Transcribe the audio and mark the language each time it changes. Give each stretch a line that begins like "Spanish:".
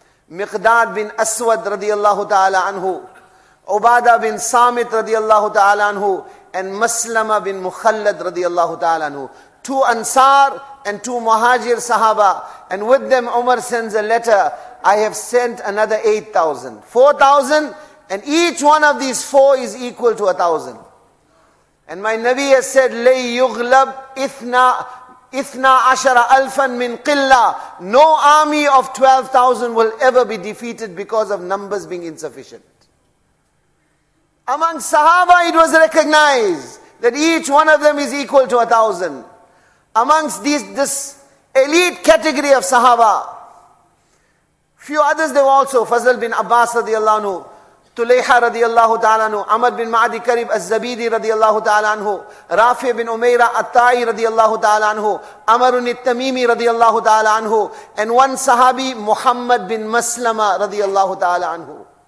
English: Miqdad bin Aswad, radiallahu ta'ala anhu. Ubadah bin Samit, radiallahu ta'ala anhu. And Maslama bin Mukhallad, radiallahu ta'ala anhu. Two Ansar, and two Muhajir Sahaba, and with them Umar sends a letter, I have sent another 8,000. 4,000, and each one of these four is equal to 1,000. And my Nabi has said,
Arabic: لَيْ يُغْلَبْ إِثْنَا عَشَرَ أَلْفًا مِنْ قِلَّةٍ.
English: No army of 12,000 will ever be defeated because of numbers being insufficient. Among Sahaba it was recognized that each one of them is equal to 1,000. Amongst this elite category of Sahaba, few others there were also, Fazl bin Abbas radiallahu anhu, Tulayha radiallahu ta'ala anhu, Amr bin Ma'adi Karib al-Zabidi radiallahu ta'ala anhu, Rafi bin Umayra al-Ta'i radiallahu ta'ala anhu, Amr bin Tamimi radiallahu ta'ala anhu, and one Sahabi, Muhammad bin Maslama radiallahu ta'ala anhu.